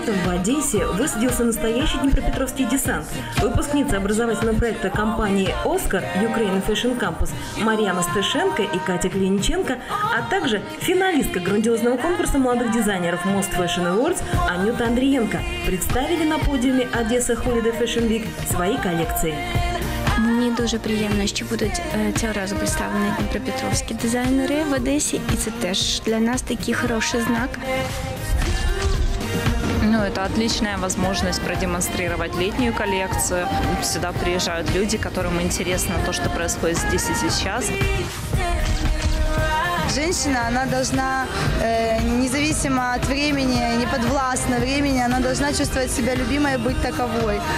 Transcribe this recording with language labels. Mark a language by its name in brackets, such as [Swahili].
[Russian] Одессе высадился настоящий днепропетровский десант. Выпускница образовательного проекта компании «Оскар» Ukraine Fashion Campus Марьяна Стешенко и Катя Клиниченко, а также финалистка грандиозного конкурса молодых дизайнеров Most Fashion Awards Анюта Андриенко представили на подиуме Одесса Holiday Fashion Week свои коллекции. [Ukrainian] Мені дуже приємно, що будуть цього разу представлені дніпропетровські дизайнери в Одесі, і це теж для нас такий хороший знак. [Russian] Ну, это отличная возможность продемонстрировать летнюю коллекцию. Сюда приезжают люди, которым интересно то, что происходит здесь и сейчас. Женщина, она должна, независимо от времени, не подвластна времени, она должна чувствовать себя любимой и быть таковой.